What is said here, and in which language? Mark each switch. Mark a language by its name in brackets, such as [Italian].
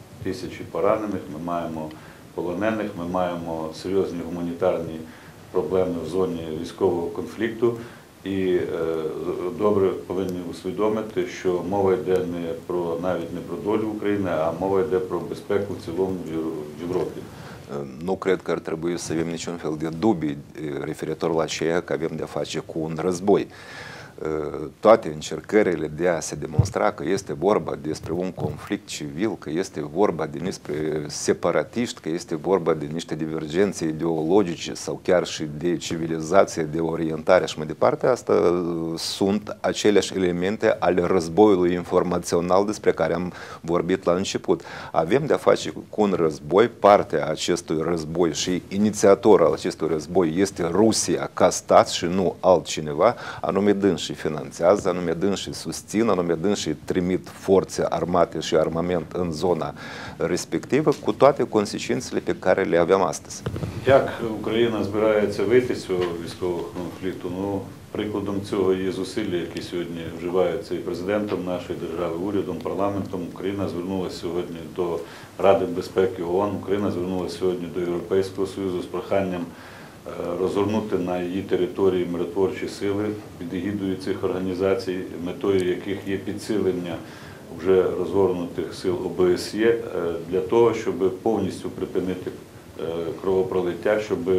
[Ukrainian] тисячі поранених, ми маємо полонених, ми маємо серйозні гуманітарні проблеми в зоні військового конфлікту. І добре повинні усвідомити, що мова йде не про навіть не про долю України, а мова йде про безпеку в цілому в Європі. [Romanian] Nu cred că ar trebui să avem niciun fel de dubii referitor la ceea că avem de-a face cu un război. Toate încercările de a se demonstra că este vorba despre un conflict civil, că este vorba despre separatiști, că este vorba de niște divergențe ideologice sau chiar și de civilizație, de orientare și mai departe, asta sunt aceleași elemente ale războiului informațional despre care am vorbit la început. Avem de-a face cu un război, partea acestui război și inițiator al acestui război este Rusia ca stat și nu altcineva, anume dânsi. Și finanțează, anume dânșii susțin, anume dânșii trimit forțe armate și armament în zona respectivă, cu toate consecințele pe care le avem astăzi. [Ukrainian] Як Україна збирається вийти з цього військового конфлікту? Ну, прикладом цього є зусилля, які сьогодні вживаються і президентом нашої держави, урядом, парламентом. Україна звернулася сьогодні до Ради безпеки ООН, Україна звернулася сьогодні до Європейського Союзу з проханням розгорнути на її території миротворчі сили під егідою цих організацій, метою яких є підсилення вже розгорнутих сил ОБСЄ для того, щоб повністю припинити кровопролиття, щоб